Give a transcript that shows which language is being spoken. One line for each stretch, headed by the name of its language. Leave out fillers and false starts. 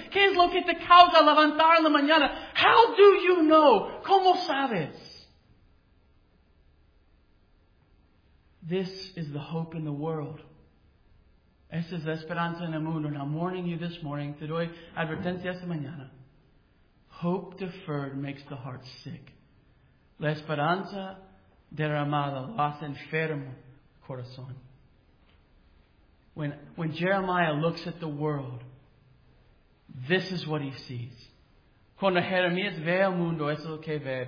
Spanish: ¿Qué es lo que te causa levantar en la mañana?
English: How do you know?
Spanish: ¿Cómo sabes?
English: This is the hope in the world.
Spanish: Esa es la esperanza en el mundo.
English: And I'm warning you this morning.
Spanish: Te doy advertencia esta mañana.
English: Hope deferred makes the heart sick.
Spanish: La esperanza derramada lo hace enfermo el corazón.
English: When Jeremiah looks at the world, this is what he sees.
Spanish: Cuando Jeremías ve el mundo, eso es lo que ve.